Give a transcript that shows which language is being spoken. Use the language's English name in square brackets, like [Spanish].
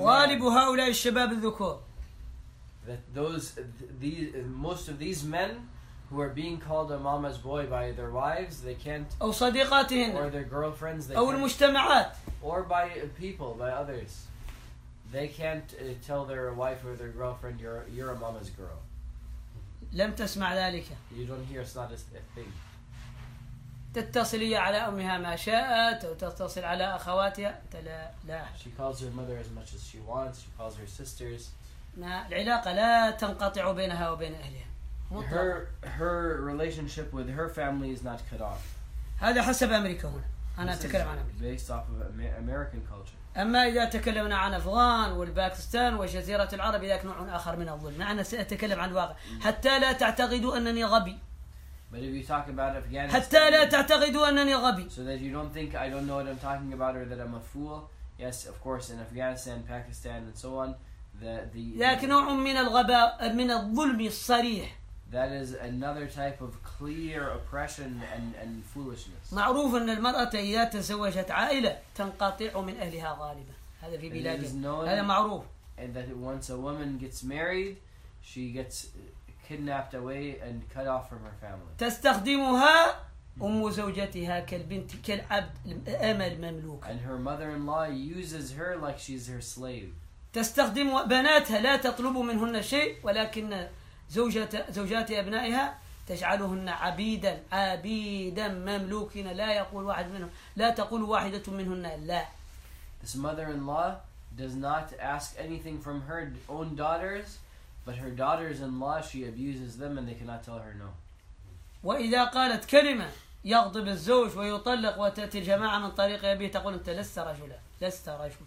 [Arabic] غالب هؤلاء الشباب الذكور [English] that these most of these men who are being called a mama's boy by their wives they can't [Arabic] أو صديقاتهن [English] or their girlfriends [Arabic] أو المجتمعات [English] or by people by others they can't tell their wife or their girlfriend you're a mama's girl. [Arabic] لم تسمع ذلك. [English] You don't hear, it's not a thing. [Arabic] تتصل هي على امها ما شاءت وتتصل على اخواتها انت لا لا. [English] She calls her mother as much as she wants. She calls her sisters. [Arabic] العلاقه لا تنقطع بينها وبين اهلها. [English] Her relationship with her family is not cut off. [Arabic] هذا حسب امريكا هنا. انا اتكلم عن [English] امريكا. Based off of American culture. [Arabic] أما إذا تكلمنا عن أفغان والباكستان وجزيرة العرب ذاك نوع آخر من الظلم. أنا سأتكلم عن الواقع حتى لا تعتقدوا أنني غبي. [English] But if you talk about Afghanistan, [Arabic] حتى لا تعتقدوا أنني غبي. [English] So that you don't think I don't know what I'm talking about or that I'm a fool. Yes, of course, in Afghanistan, Pakistan, and so on, the [Arabic] ذاك نوع من الغباء من الظلم الصريح. [English] That is another type of clear oppression and foolishness. [Arabic] معروف أن المرأة إذا تزوجت عائلة تنقطع من أهلها غالبا. هذا في بلادنا. هذا معروف. [English] And that once a woman gets married, she gets kidnapped away and cut off from her family. [Arabic] تستخدمها أم زوجتها كالبنت كالعبد الأمة المملوكة. [English] And her mother-in-law uses her like she's her slave. [Arabic] تستخدم بناتها لا تطلب منهن شيء ولكن زوجات أبنائها تجعلهن عبيدا عبيدا مملوكين لا يقول واحد منهم لا تقول واحدة منهن لا. [English] This mother-in-law does not ask anything from her own daughters, but her daughters-in-law she abuses them and they cannot tell her no. [Arabic] وإذا قالت كلمة يغضب الزوج ويطلق وتأتي الجماعة من طريق أبيه تقول أنت لست رجلا لست رجلا.